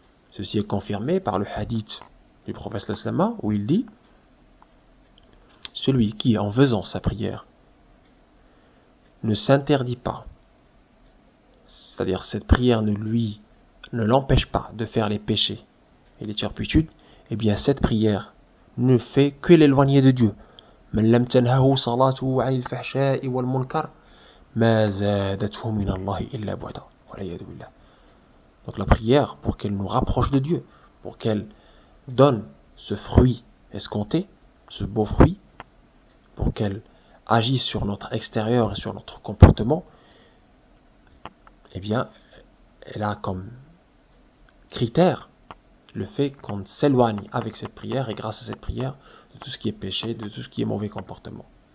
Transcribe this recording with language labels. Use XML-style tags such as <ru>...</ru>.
<fr>Ceci est confirmé par le hadith du prophète Slama, où il dit, celui qui, en faisant sa prière, ne s'interdit pas, c'est-à-dire cette prière ne l'empêche pas de faire les péchés et les turpitudes, eh bien cette prière ne fait que l'éloigner de Dieu.</fr> <ar>من لم تنهه صلاته عن الفحشاء والمنكر ما زادته من الله إلا بعدا والعياذ بالله.</ar> <fr>Donc la prière, pour qu'elle nous rapproche de Dieu, pour qu'elle donne ce fruit escompté, ce beau fruit, pour qu'elle agisse sur notre extérieur et sur notre comportement, eh bien, elle a comme critère le fait qu'on s'éloigne avec cette prière et grâce à cette prière de tout ce qui est péché, de tout ce qui est mauvais comportement.</fr>